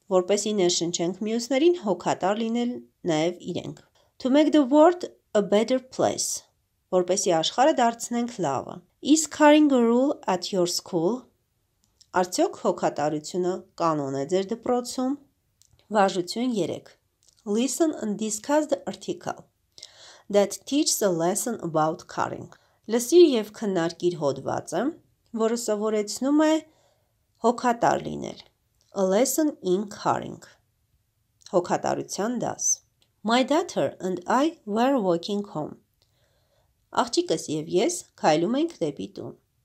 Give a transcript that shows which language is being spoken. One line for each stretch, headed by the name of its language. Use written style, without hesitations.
Armenian: Որպեսզի ներշնչենք մյուսներին հոգատար լինել նաև իրենք։
English: To make the world a better place.
Armenian: Որպեսզի աշխարհը դարձնենք լավը։
English: Is caring a rule at your school?
Armenian: Արդյոք հոգատարությունը կանոն է ձեր դպրոցում? Վարժություն 3.
English: Listen and discuss the article that teaches a lesson about caring.
Armenian: Լսիր եւ քննարկիր հոդվածը, որը սովորեցնում է հոգատար լինել.
English: A lesson in caring.
Armenian: Հոգատարության դաս.
English: My daughter and I were walking home.
Armenian: Աղջիկս եւ ես քայլում ենք դեպի տուն.